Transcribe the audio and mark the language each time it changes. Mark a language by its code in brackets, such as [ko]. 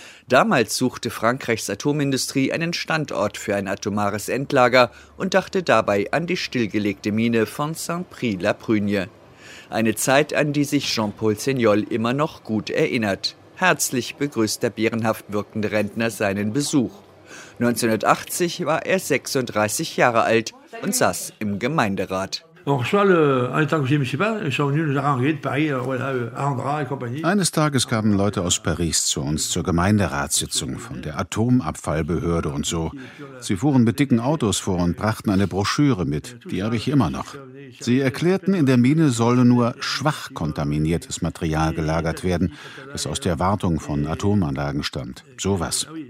[de] Damals suchte Frankreichs Atomindustrie einen Standort für ein atomares Endlager und dachte dabei an die stillgelegte Mine von Saint-Prix-la-Prugne. Eine Zeit, an die sich Jean-Paul Seignol immer noch gut erinnert. Herzlich begrüßt der bärenhaft wirkende Rentner seinen Besuch. 1980 war er 36 Jahre alt und saß im Gemeinderat. [fr] On reçoit en tant que conseiller municipal, ils sont venus nous arranger de Paris, voilà, Andra et compagnie. [de] Eines Tages kamen Leute aus Paris zu uns zur Gemeinderatssitzung von der Atomabfallbehörde und so. Sie fuhren mit dicken Autos vor und brachten eine Broschüre mit, die habe ich immer noch. Sie erklärten, in der Mine solle nur schwach kontaminiertes Material gelagert werden, das aus der Wartung von Atomanlagen stammt. Sowas.